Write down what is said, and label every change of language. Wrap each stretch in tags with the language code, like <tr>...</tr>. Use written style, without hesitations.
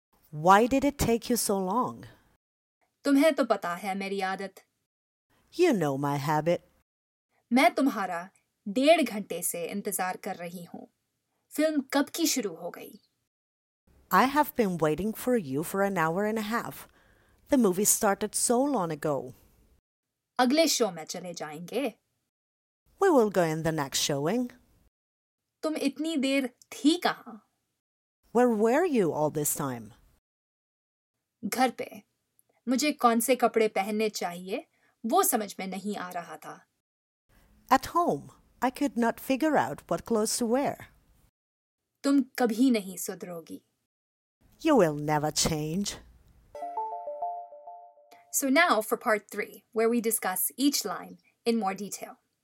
<en>Why did it take you so long?</en> <hi>तुम्हें तो पता है मेरी आदत।</hi> <en>You know my habit.</en> <hi>मैं तुम्हारा डेढ़ घंटे से इंतजार कर रही हूँ. फिल्म कब की शुरू हो गई?</hi> <en>I have been waiting for you for an hour and a half. The movie started so long ago.</en> <hi>अगले शो में चले जाएंगे.</hi> <en>We will go in the next showing.</en> <hi>तुम इतनी देर थी कहाँ?</hi> <en>Where were you all this time?</en> <hi>घर पे. मुझे कौन से कपड़े पहनने चाहिए? वो समझ में नहीं आ रहा था।</hi> <en>At home, I could not figure out what clothes to wear.</en> <hi>Tum kabhi nahi sudharogi.</hi> <en>You will never change. So now for part three, where we discuss each line in more detail.</en>